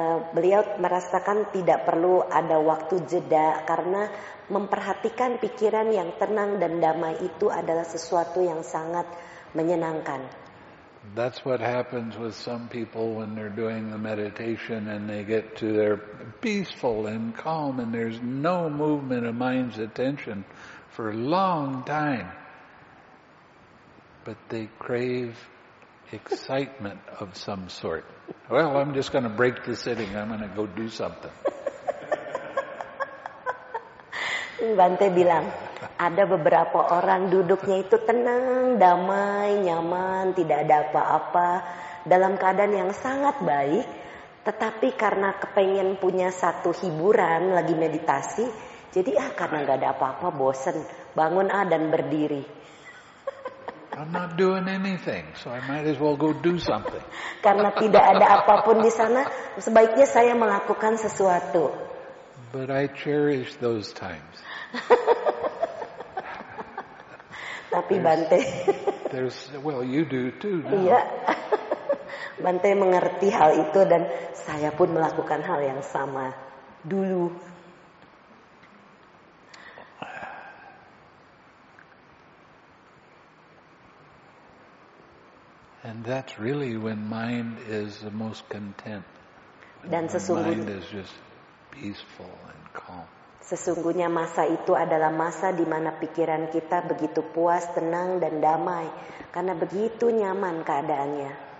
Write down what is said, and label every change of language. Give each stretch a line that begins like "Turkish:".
Indonesian: beliau merasakan tidak perlu ada waktu jeda karena memperhatikan pikiran yang tenang dan damai itu adalah sesuatu yang sangat menyenangkan.
English: That's what happens with some people when they're doing the meditation and they get to their peaceful and calm and there's no movement of mind's attention for a long time. But they crave excitement of some sort. Well, I'm just going to break the sitting. I'm going to go do something.
Indonesian: Bante bilang, ada beberapa orang duduknya itu tenang, damai, nyaman, tidak ada apa-apa, dalam keadaan yang sangat baik, tetapi karena kepengen punya satu hiburan lagi meditasi, jadi karena gak ada apa-apa, bosen, bangun dan berdiri.
English: I'm not doing anything, so I might as well go do something.
Indonesian: Karena tidak ada apapun di sana, sebaiknya saya melakukan sesuatu.
English: But I cherish those times.
Indonesian: Tapi Bante.
English: Well, you do too.
Indonesian: Iya. Bante mengerti hal itu dan saya pun melakukan hal yang sama dulu.
English: And that's really when mind is the most content.
Indonesian: Dan sesungguhnya
English: mind is just peaceful and calm.
Indonesian: Sesungguhnya masa itu adalah masa di mana pikiran kita begitu puas, tenang dan damai karena begitu nyaman keadaannya.